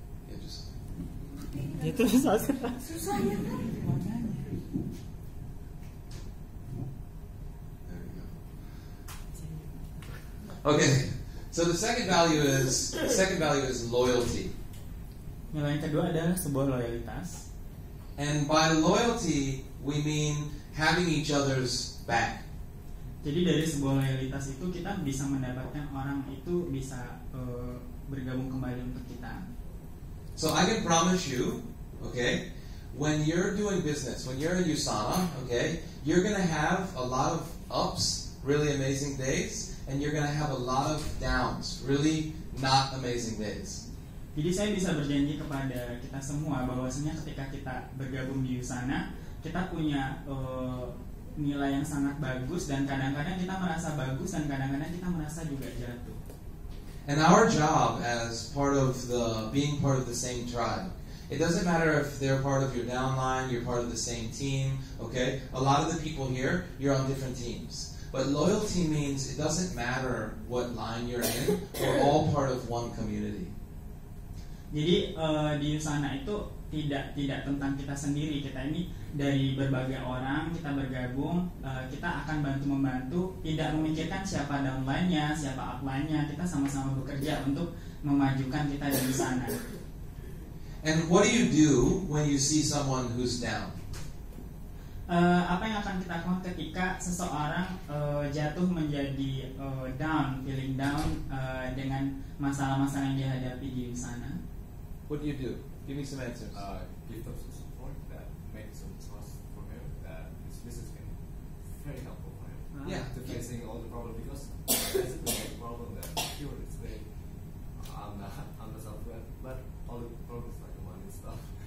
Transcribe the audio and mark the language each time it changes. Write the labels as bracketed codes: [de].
[en] Yeah, just. Okay, so the second value is loyalty. [id] Nilai kedua adalah sebuah loyalitas. [en] And by loyalty, we mean having each other's back. [id] Jadi dari sebuah loyalitas itu kita bisa mendapatkan orang itu bisa bergabung kembali untuk kita. [en] So I can promise you, okay, when you're doing business, when you're in USANA, okay, you're gonna have a lot of ups, really amazing days. And you're going to have a lot of downs, really not amazing days. [id] Jadi saya bisa berjanji kepada kita semua bahwasanya ketika kita bergabung di USANA, kita punya nilai yang sangat bagus dan kadang-kadang kita merasa bagus dan kadang-kadang kita merasa juga jatuh. [en] And our job as part of the being part of the same tribe, it doesn't matter if they're part of your downline, you're part of the same team, okay? A lot of the people here, you're on different teams. But loyalty means it doesn't matter what line you're in, we're all part of one community. [id] Jadi di sana itu tidak tentang kita sendiri, kita ini dari berbagai orang, kita bergabung, kita akan bantu-membantu, tidak memikirkan siapa downline-nya, siapa upline-nya, kita sama-sama bekerja untuk memajukan kita di sana. [en] And what do you do when you see someone who's down? [id] Apa yang akan kita lakukan ketika seseorang jatuh menjadi down, [en] feeling down [id] dengan masalah-masalah yang dihadapi di sana? [en] What do you do? Give me some answers. Give them some support that makes some trust for him that his business can be very helpful for him. Yeah. To facing all the problems, because basically the problem that cured is they on the software, but all the problems like the money stuff.